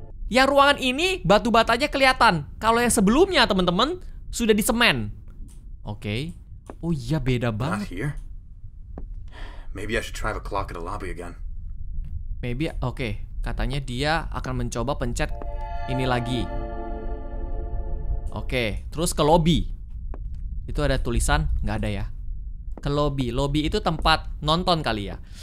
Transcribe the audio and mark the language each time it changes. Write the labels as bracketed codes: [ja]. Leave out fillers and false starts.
[id] Yang ruangan ini batu batanya kelihatan. Kalau yang sebelumnya, teman-teman, sudah di semen. Oke. Oh iya, beda banget. [en] Not here. Maybe I should try the clock in the lobby again. Maybe, oke. [id] Katanya dia akan mencoba pencet ini lagi. Oke, terus ke lobby. Itu ada tulisan? Nggak ada ya. Ke lobby. Lobby itu tempat nonton kali ya.